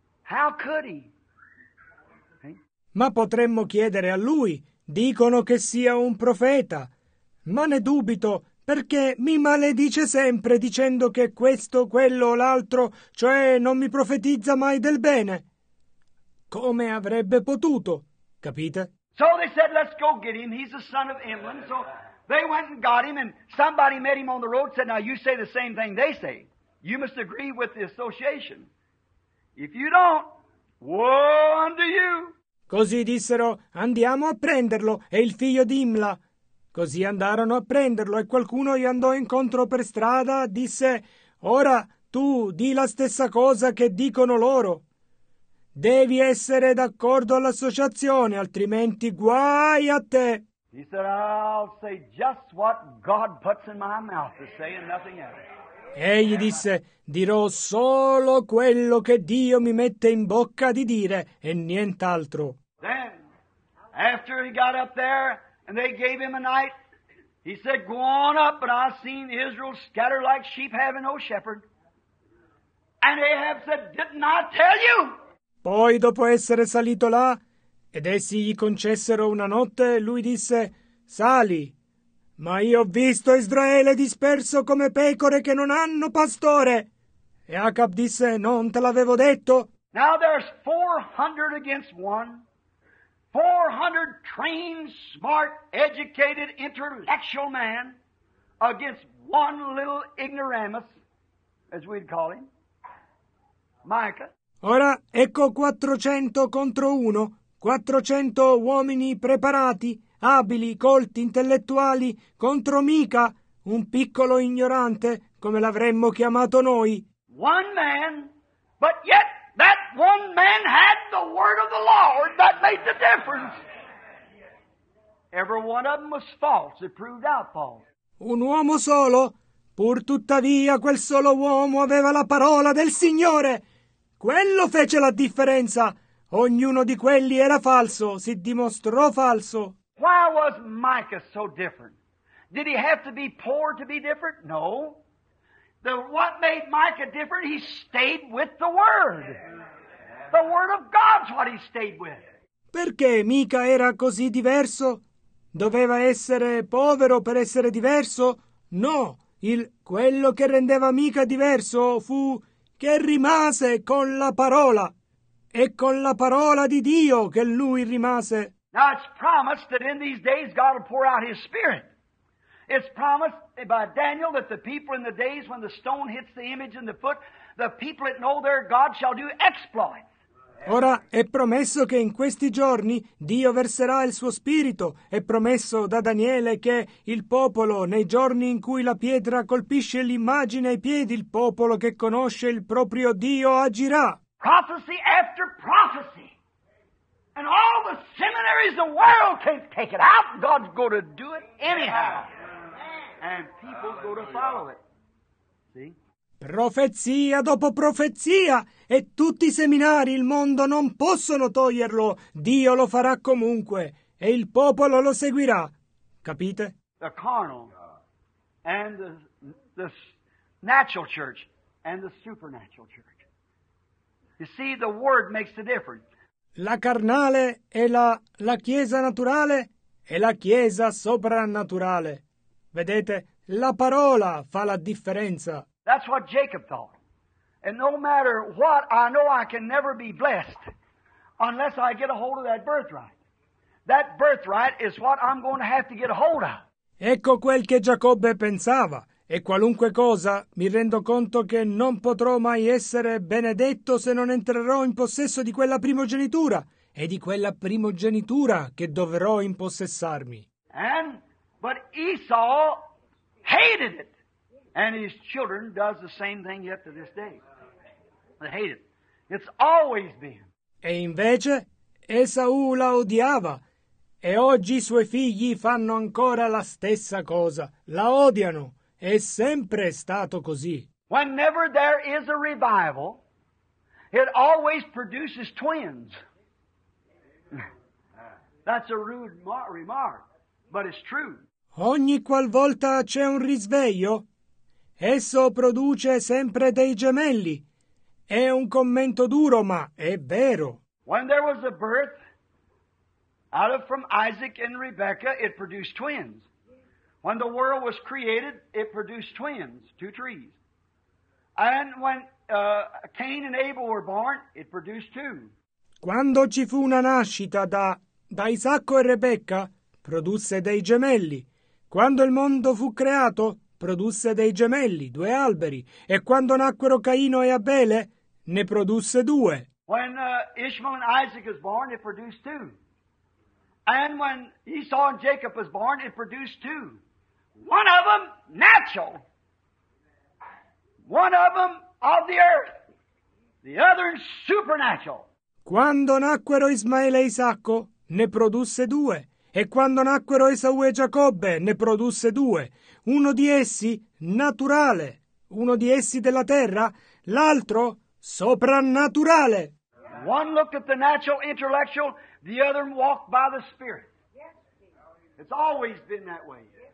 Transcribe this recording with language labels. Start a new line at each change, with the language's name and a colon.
English: How could he?
Italian: Ma potremmo chiedere a lui. Dicono che sia un profeta. Ma ne dubito, perché mi maledice sempre dicendo che questo, quello o l'altro, cioè non mi profetizza mai del bene. Come avrebbe potuto? Capite?
English: So they said, let's go get him. He's the son of Imlan. So they went and got him, and somebody met him on the road and said, now you say the same thing they say. You must agree with the association. If you don't, woe unto you.
Italian: Così dissero, andiamo a prenderlo, è il figlio di Imla. Così andarono a prenderlo e qualcuno gli andò incontro per strada e disse, ora tu di la stessa cosa che dicono loro. Devi essere d'accordo all'associazione, altrimenti guai a te.
English: He said, I'll say just what God puts in my mouth to say and nothing else.
Italian: Egli disse, dirò solo quello che Dio mi mette in bocca di dire e nient'altro.
English: Then, after he got up there and they gave him a night, he said, go on up, but I've seen Israel scatter like sheep having no shepherd. And Ahab said, didn't I tell you?
Italian: Poi, dopo essere salito là, ed essi gli concessero una notte, lui disse, sali. Ma io ho visto Israele disperso come pecore che non hanno pastore. E Acab disse, non te l'avevo detto.
English: Now there's 400 against one. 400 trained, smart, educated, intellectual man against one little ignoramus, as we'd call him, Micah.
Italian: Ora ecco 400 contro uno. 400 uomini preparati. Abili, colti, intellettuali, contro Mica, un piccolo ignorante, come l'avremmo chiamato noi.
English: One man, but yet that one man had the word of the Lord that made the difference. Every one of them was false, it proved out false.
Italian: Un uomo solo, pur tuttavia quel solo uomo aveva la parola del Signore. Quello fece la differenza. Ognuno di quelli era falso, si dimostrò falso.
English: Why was Micah so different? Did he have to be poor to be different? No. What made Micah different? He stayed with the Word. The Word of God's what he stayed with.
Italian: Perché Mica era così diverso? Doveva essere povero per essere diverso? No. Quello che rendeva Mica diverso fu che rimase con la parola. E con la parola di Dio che lui rimase.
English: Now it's promised that in these days God will pour out His Spirit. It's promised by Daniel that the people in the days when the stone hits the image in the foot, the people that know their God shall do exploits.
Italian: Ora è promesso che in questi giorni Dio verserà il suo Spirito. È promesso da Daniele che il popolo, nei giorni in cui la pietra colpisce l'immagine ai piedi, il popolo che conosce il proprio Dio agirà.
English: Prophecy after prophecy. And all the seminaries in the world can't take it out. God's going to do it anyhow. And people go to follow it. See?
Italian: Profezia dopo profezia. E tutti i seminari, il mondo non possono toglierlo. Dio lo farà comunque. E il popolo lo seguirà. Capite?
English: The carnal and the natural church and the supernatural church. You see, the word makes the difference.
Italian: La carnale e la chiesa naturale e la chiesa soprannaturale. Vedete, la parola fa la differenza.
English: That's what Jacob thought. And no matter what, I know I can never be blessed unless I get a hold of that birthright. That birthright is what I'm going to have to get a hold of.
Italian: Ecco quel che Giacobbe pensava. E qualunque cosa, mi rendo conto che non potrò mai essere benedetto se non entrerò in possesso di quella primogenitura e di quella primogenitura che dovrò impossessarmi.
English: But Esau hated it, and his children does the same thing yet to this day. They hate it. It's always been.
Italian: E invece Esau la odiava, e oggi i suoi figli fanno ancora la stessa cosa, la odiano. È sempre stato così.
English: Whenever there is a revival, it always produces twins. That's a rude remark, but it's true.
Italian: Ogni qualvolta c'è un risveglio, esso produce sempre dei gemelli. È un commento duro, ma è vero.
English: When there was a birth out of from Isaac and Rebecca, it produced twins. When the world was created, it produced twins, two trees. And when Cain and Abel were born, it produced two.
Italian: Quando ci fu una nascita da da Isacco e Rebecca produsse dei gemelli. Quando il mondo fu creato, produsse dei gemelli, due alberi. E quando nacquero Caino e Abele, ne produsse due.
English: When Ishmael and Isaac was born, it produced two. And when Esau and Jacob was born, it produced two. One of them natural. One of them of the earth. The other supernatural.
Italian: Quando nacquero Ismaele e Isacco, ne produsse due. E quando nacquero Esau e Giacobbe, ne produsse due. Uno di essi naturale, uno di essi della terra, l'altro soprannaturale.
English: One looked at the natural, intellectual, the other walked by the spirit. It's always been that way.